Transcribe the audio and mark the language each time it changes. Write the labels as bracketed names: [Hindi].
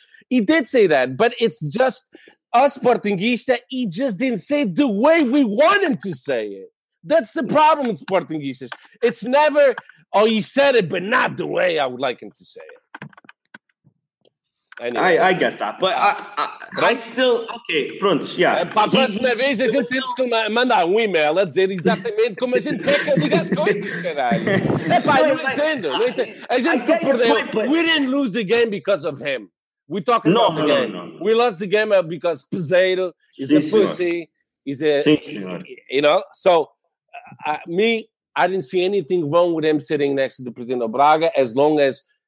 [English] He did say that, but it's just us Sportingista, he just didn't say it the way we want him to say it. That's the problem with Sportingistas. It's never, oh, he said it, but not the way I would like him to say it. Anyway. I get that, but I still okay. Pronto, yeah. [Portuguese] Para a próxima vez a gente tem que mandar e-mail a dizer exatamente como a gente quer que eu diga as coisas, caralho. Não entendo. A gente perdeu. [English] We didn't lose the game because of him. We talk about the game. No. We lost the game because Peseiro is a pussy. Is a you know. So I didn't see anything wrong with him sitting next to the president of Braga as long as.